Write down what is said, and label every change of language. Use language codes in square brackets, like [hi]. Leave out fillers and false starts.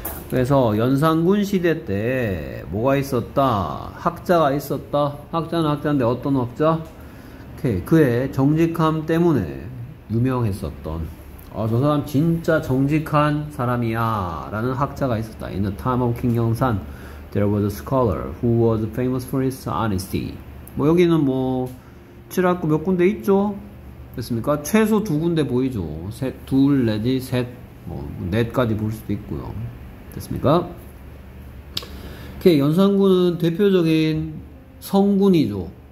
[ko] 그래서 연산군 시대 때 뭐가 있었다? 학자가 있었다. 학자는 학자인데 어떤 학자? 오케이. 그의 정직함 때문에 유명했었던. 아, 저 사람 진짜 정직한 사람이야라는 학자가 있었다. [en] In the time of King Yeon-san, there was a scholar who was famous for his honesty. [ko] 뭐 여기는 뭐 칠학구 몇 군데 있죠? 됐습니까? 최소 두 군데 보이죠? 셋, 둘, 넷이 셋, 뭐, 넷까지 볼 수도 있고요. 됐습니까? 오케이, 연산군은 대표적인 성군이죠.